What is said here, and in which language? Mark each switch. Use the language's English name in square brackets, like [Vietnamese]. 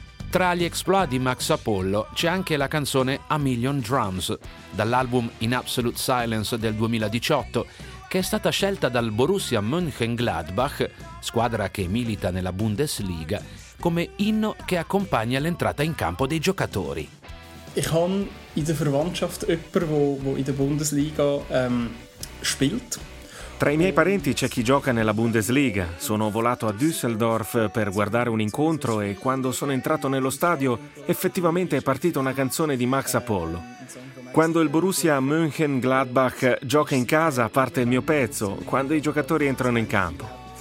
[Italian] Tra gli exploit di Max Apollo c'è anche la canzone A Million Drums, dall'album In Absolute Silence del 2018, che è stata scelta dal Borussia Mönchengladbach, squadra che milita nella Bundesliga, come inno che accompagna l'entrata in campo dei giocatori. [German] Ich habe in der Verwandtschaft jemanden, der in der Bundesliga spielt. [Italian] Tra i miei parenti c'è chi gioca nella Bundesliga. Sono volato a Düsseldorf per guardare un incontro e quando sono entrato nello stadio effettivamente è partita una canzone di Max Apollo. Quando il Borussia Mönchengladbach gioca in casa parte il mio pezzo, quando i giocatori entrano in campo.